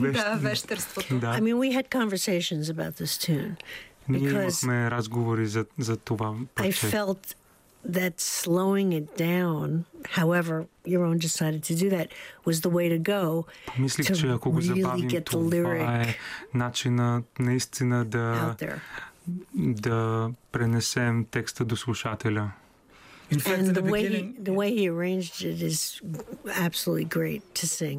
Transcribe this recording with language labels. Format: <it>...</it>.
<bg>Да, вещерството.</bg> <en>I mean, we had conversations about this tune.</en> <bg>Ние имахме разговори за това.</bg> <en>I felt that slowing it down, however Yaron decided to do that, was the way to go.</en> <bg>Помислих, че ако го забавим, това е начинът наистина да пренесем текста до слушателя.</bg> <en>In fact, and in the way he arranged it is absolutely great to sing.</en>